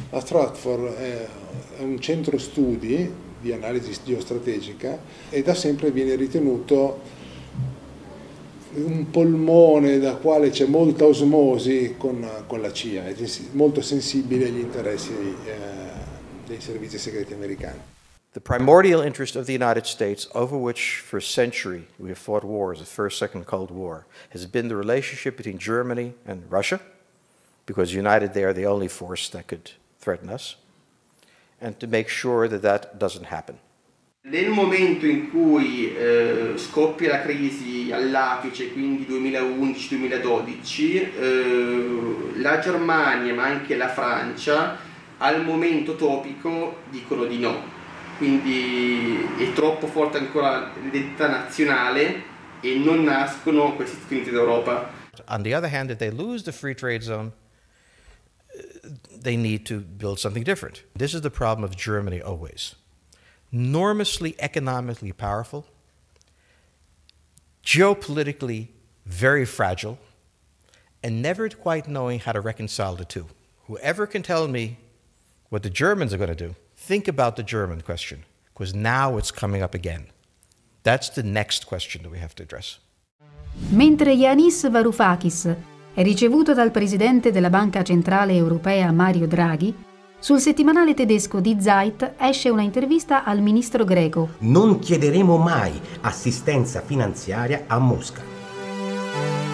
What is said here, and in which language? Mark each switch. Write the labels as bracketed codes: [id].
[it] La Stratford è un centro studi di analisi geostrategica e da sempre viene ritenuto un polmone da quale c'è molta osmosi con la CIA, è molto sensibile agli interessi dei servizi segreti americani. [en] The primordial interest of the United States, over which for a century we have fought wars, the First, Second Cold War, has been the relationship between Germany and Russia, because united they are the only force that could threaten us, and to make sure that that doesn't happen. [it] Nel momento in cui scoppia la crisi all'apice, quindi 2011-2012, la Germania, ma anche la Francia, al momento topico dicono di no. Quindi è troppo forte ancora l'identità nazionale e non nascono questi Stati Uniti d'Europa. [en] On the other hand, if they lose the free trade zone, they need to build something different. This is the problem of Germany always. Enormously economically powerful, geopolitically very fragile, and never quite knowing how to reconcile the two. Whoever can tell me what the Germans are going to do, think about the German question, because now it's coming up again. That's the next question that we have to address. [it] Mentre Yanis Varoufakis è ricevuto dal presidente della Banca Centrale Europea Mario Draghi, sul settimanale tedesco Die Zeit esce una intervista al ministro greco. Non chiederemo mai assistenza finanziaria a Mosca.